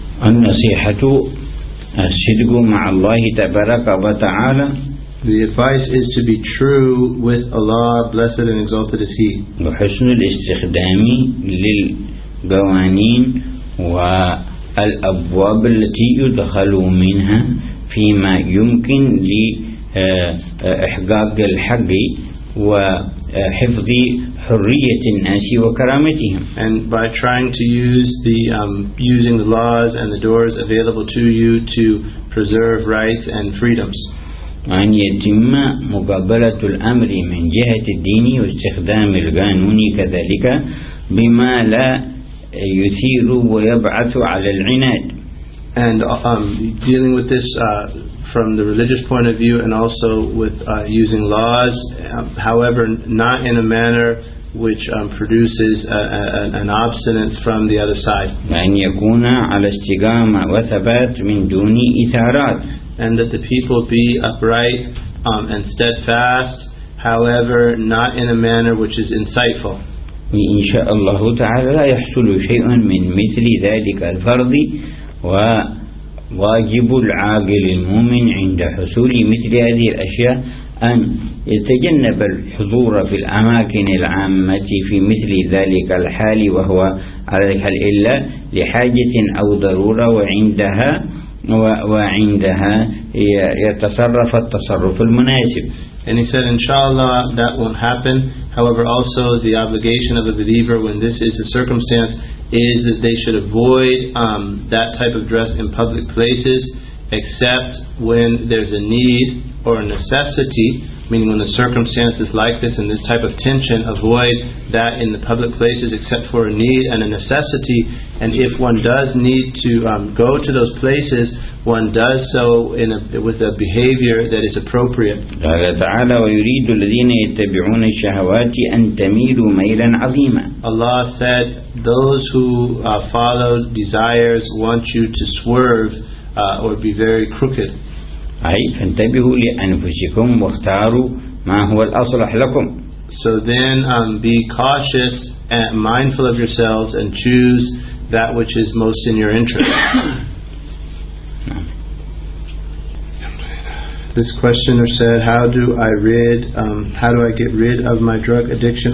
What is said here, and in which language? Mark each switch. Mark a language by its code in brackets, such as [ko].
[ar] النصيحة الصدق مع الله تبارك وتعالى. [en] The advice is to be true with Allah, blessed and exalted is He. [ar] وحسن الاستخدام للقوانين والأبواب التي يدخلوا منها فيما يمكن لإحقاق الحق وحفظ حرية الناس وكرامتهم. [en] And by trying to use the using the laws and the doors available to you to preserve rights and freedoms. [ar] أن يتم مقابلة الأمر من جهة الدين واستخدام القانون كذلك بما لا يثير ويبعث على العناد. [en] And dealing with this from the religious point of view and also with using laws, however, not in a manner which produces an obstinance from the other side. [ar] أن يكون على استقامة وثبات من دون إثارات. [en] And that the people be upright and steadfast, however, not in a manner which is insightful. [ar] إن شاء الله تعالى لا يحصل شيء من مثل ذلك الفرض, وواجب العاقل المؤمن عند حصول مثل هذه الأشياء أن يتجنب الحضور في الأماكن العامة في مثل ذلك الحال وهو على الحال إلا لحاجة أو ضرورة, وعندها وعندها يتصرف التصرف المناسب. [en] And he said, inshallah, that won't happen. However, also the obligation of a believer when this is a circumstance is that they should avoid that type of dress in public places except when there's a need or a necessity, meaning when the circumstance is like this and this type of tension, avoid that in the public places except for a need and a necessity. And if one does need to go to those places, one does so with a behavior that is appropriate. [ar] قال تعالى ويريد الذين يتبعون الشهوات أن تميلوا ميلا عظيما. [en] Allah said, those who follow desires want you to swerve or be very crooked. [ar] أي فانتبهوا لأنفسكم واختاروا ما هو الأصلح لكم. [en] So then be cautious and mindful of yourselves and choose that which is most in your interest. This questioner said, how do I get rid of my drug addiction?